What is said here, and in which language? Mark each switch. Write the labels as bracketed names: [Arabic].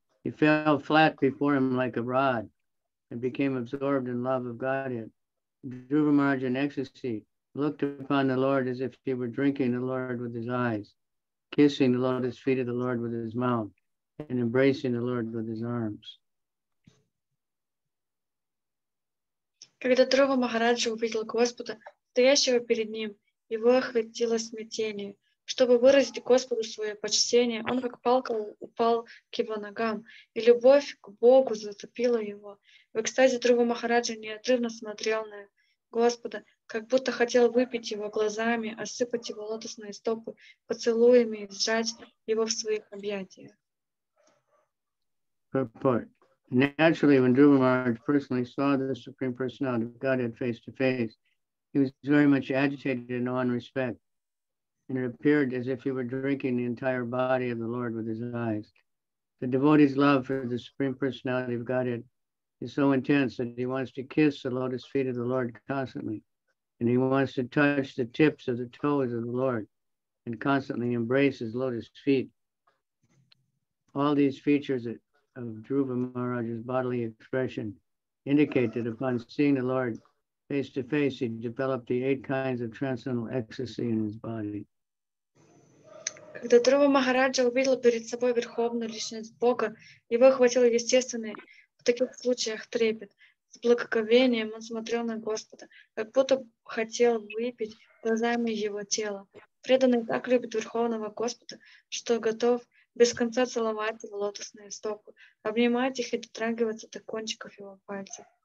[English] He fell flat before him like a rod and became absorbed in love of Godhead. Dhruva Mahārāja in ecstasy looked upon the Lord as if he were drinking the Lord with his eyes, kissing the lotus feet of the Lord with his mouth, and embracing the Lord with his arms. [Russian] Когда Дхрува Махараджа увидел Господа, стоящего перед ним, его охватило смятение. Чтобы выразить Господу свое почтение, он как палка упал к его ногам, и любовь к Богу зацепила его. В экстазе Дхрува Махараджа неотрывно смотрел на Господа, как будто хотел выпить его глазами, осыпать его лотосные стопы поцелуями и сжать его в своих объятиях. [English] Naturally, when Dhruva Mahārāja personally saw the Supreme Personality of Godhead face to face, he was very much agitated and awe and respect. And it appeared as if he were drinking the entire body of the Lord with his eyes. The devotee's love for the Supreme Personality of Godhead is so intense that he wants to kiss the lotus feet of the Lord constantly. And he wants to touch the tips of the toes of the Lord and constantly embrace his lotus feet. All these features of Dhruva Maharaj's bodily expression indicate that upon seeing the Lord face to face, he developed the eight kinds of transcendental ecstasy in his body. [Russian] Когда Дхрува Махараджа увидел перед собой Верховную Личность Бога, его охватил естественный, в таких случаях трепет. С благоговением он смотрел на Господа, как будто хотел выпить глазами его тела. В преданный так любит Верховного Господа, что готов без конца целовать его лотосные стопы, обнимать их и дотрагиваться до кончиков его пальцев.